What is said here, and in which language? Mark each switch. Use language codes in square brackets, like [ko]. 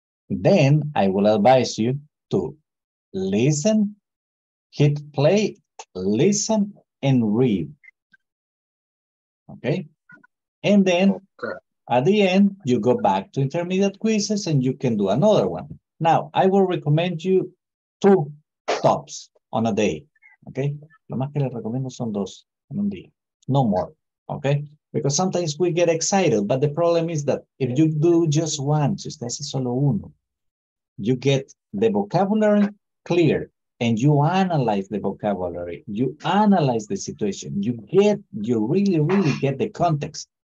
[en] Then I will advise you to listen, hit play, listen, and read. Okay? And then at the end, you go back to intermediate quizzes and you can do another one. Now, I will recommend you two tops on a day. Okay? [es] Lo más que le recomiendo son dos en un día. [en] No more. Okay? Because sometimes we get excited, but the problem is that if you do just one, [es] si usted hace solo uno, [en] you get the vocabulary clear and you analyze the vocabulary, you analyze the situation, you really, really get the context.